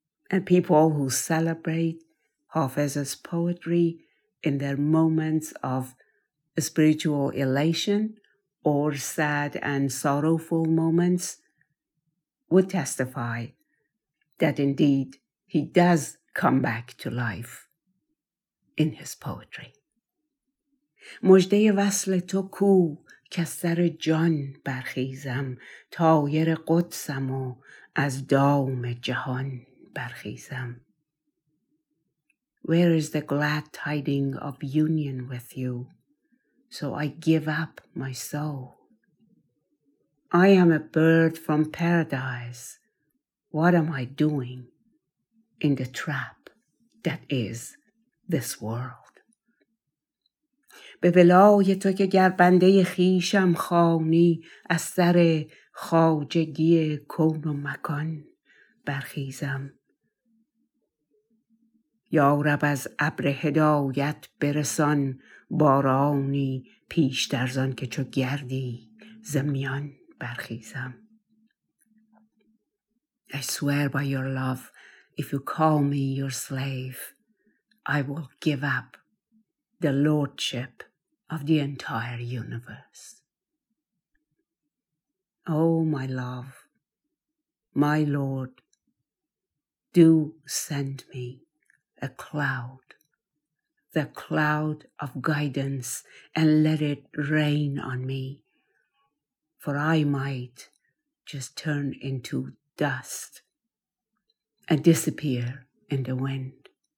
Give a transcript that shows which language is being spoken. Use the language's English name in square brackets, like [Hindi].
[English] And people who celebrate Hafiz's poetry in their moments of spiritual elation or sad and sorrowful moments would testify that indeed he does come back to life in his poetry. [Persian] مژده وصل تو کو که سر جان برخیزم، طایر قدسم و از دام جهان برخیزم. [English] Where is the glad tiding of union with you? So I give up my soul. I am a bird from paradise. What am I doing in the trap that is this world? [Persian] به ولای تو که گر بنده خیشم خوانی، از سر خواجگی کون و مکان برخیزم. یا رب از ابر هدایت برسان بارانی، پیش در زان که چو گردی زمیان برخیزم. [English] I swear by your love, if you call me your slave, I will give up the lordship of the entire universe. Oh, my love, my lord, do send me a cloud, the cloud of guidance, and let it rain on me, for I might just turn into dust and disappear in the wind.